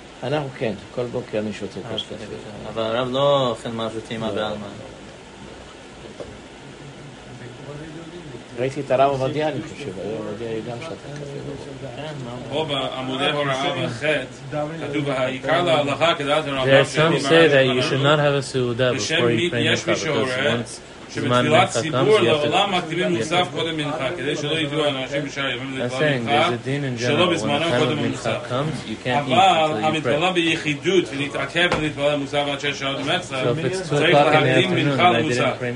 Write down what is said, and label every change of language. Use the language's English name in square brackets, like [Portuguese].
[Hebrew] אנחנו כן, כל בוקר אני שותה קפה. אבל הרב לא אוכל משהו טעימה בעלמה. ראיתי את הרב עובדיה, אני חושב, הרב עובדיה היא גם שותה קפה. פה בעמודי הוראה בחטא, כתוב, העיקר להלכה כדעת הרבה, [English] there are some say that you should not have a סעודה before you pray מנחה, because once [Hebrew] שבתפילת ציבור לעולם מקדימים מוסף קודם מנחה, כדי שלא ידעו אנשים בשאר ימים לתפילת מנחה, שלא בזמנם קודם מנחה. אבל המתפלל ביחידות ולהתעכב ולהתפלל מוסף עד שש שעות מחצה, צריך להקדים מנחה למוסף.